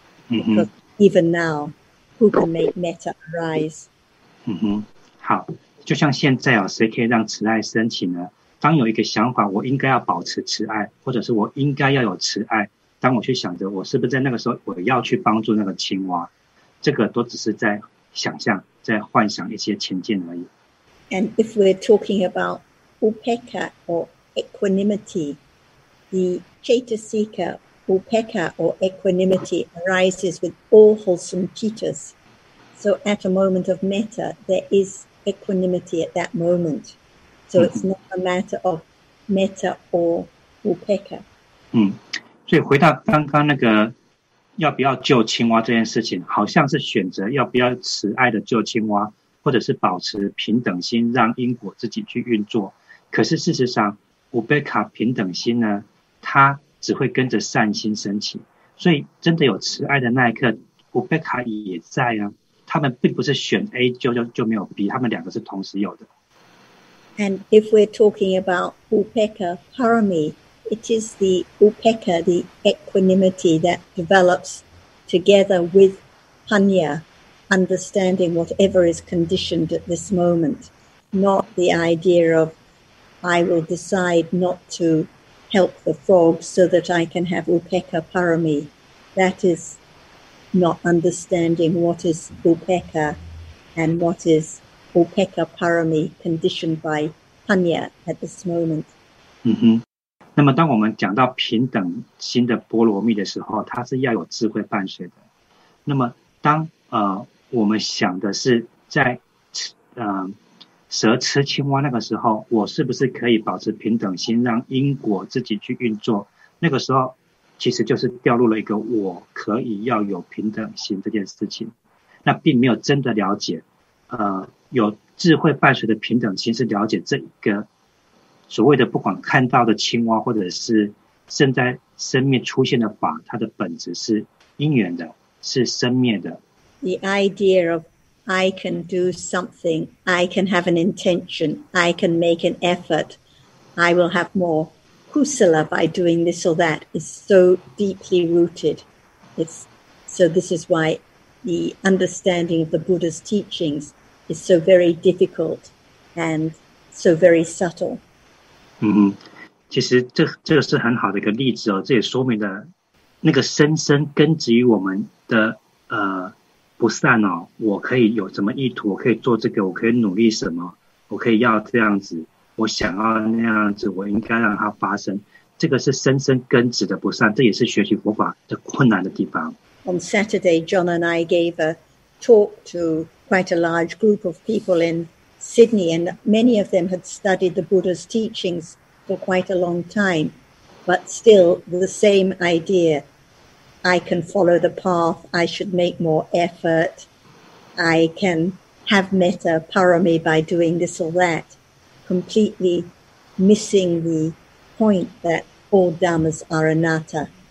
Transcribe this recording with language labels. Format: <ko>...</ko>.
<en>Mm-hmm. Because even now, who can make metta arise? Mm-hmm.</en> <zh>好，就像现在啊，谁可以让慈爱升起呢？当有一个想法，我应该要保持慈爱，或者是我应该要有慈爱，当我去想着我是不是在那个时候我要去帮助那个青蛙，这个都只是在想象，在幻想一些情境而已。</zh> <en>And if we're talking about upekkha or equanimity, the chaitasika upekkha or equanimity arises with all wholesome cittas. So at a moment of metta, there is equanimity at that moment. So it's not a matter of metta or upekkha.</en> <zh>所以回到刚刚那个要不要救青蛙这件事情，好像是选择要不要慈爱的救青蛙，或者是保持平等心，让因果自己去运作。可是事实上，五贝卡平等心呢，它只会跟着善心升起。所以，真的有慈爱的那一刻，五贝卡也在啊。他们并不是选 A 就没有 B， 他们两个是同时有的。</zh> <en>And if we're talking about upekkha parami, it is the upekkha, the equanimity that develops together with panya. Understanding whatever is conditioned at this moment, not the idea of I will decide not to help the frog so that I can have upekkha parami. That is not understanding what is upekkha and what is upekkha parami conditioned by panya at this moment.</en> <zh>那么当我们讲到平等心的波罗蜜的时候，它是要有智慧伴随的。那么当我们想的是在蛇吃青蛙那个时候，我是不是可以保持平等心，让因果自己去运作？那个时候其实就是掉入了一个我可以要有平等心这件事情，那并没有真的了解有智慧伴随的平等心是了解这一个所谓的不管看到的青蛙或者是正在生灭出现的法，它的本质是因缘的，是生灭的。</zh> <en>The idea of I can do something, I can have an intention, I can make an effort, I will have more kusala by doing this or that is so deeply rooted. So this is why the understanding of the Buddha's teachings is so very difficult and so very subtle.</en> <zh>其实这是很好的一个例子哦，这也说明了那个深深根植于我们的不善哦，我可以有什么意图？我可以做这个，我可以努力什么？我可以要这样子，我想要那样子，我应该让它发生。这个是深深根植的不善，这也是学习佛法的困难的地方。</zh> <en>On Saturday, John and I gave a talk to quite a large group of people in Sydney, and many of them had studied the Buddha's teachings for quite a long time, but still the same idea. I can follow the path, I should make more effort, I can have metta parami by doing this or that, completely missing the point that all dhammas are anatta.</en>